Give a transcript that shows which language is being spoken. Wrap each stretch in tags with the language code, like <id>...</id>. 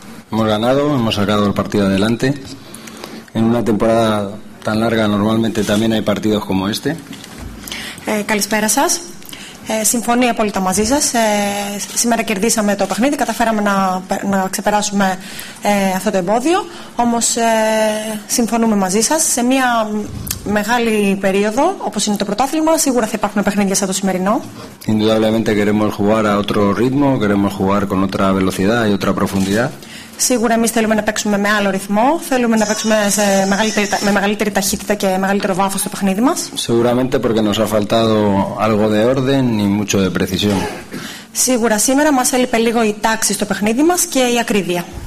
<es>Hemos ganado, hemos sacado el partido adelante. En una temporada tan larga normalmente también hay partidos como este.</es> <el>Καλησπέρα σας. Συμφωνώ απόλυτα μαζί σας. Σήμερα κερδίσαμε το παιχνίδι, καταφέραμε να ξεπεράσουμε αυτό το εμπόδιο. Όμως συμφωνούμε μαζί σας. Σε μια μεγάλη περίοδο, όπως είναι το πρωτάθλημα, σίγουρα θα υπάρχουν παιχνίδια σαν το σημερινό.</el> <es>Indudablemente queremos jugar a otro ritmo, queremos jugar con otra velocidad y otra profundidad.</es> <el>Σίγουρα εμείς θέλουμε να παίξουμε με άλλο ρυθμό, θέλουμε να παίξουμε με μεγαλύτερη ταχύτητα και μεγαλύτερο βάθος στο παιχνίδι μας.</el> <es>Seguramente porque nos ha faltado algo de orden y mucho de precisión.</es> <el>Σίγουρα σήμερα μας έλειπε λίγο η τάξη στο παιχνίδι μας και η ακρίβεια.</el>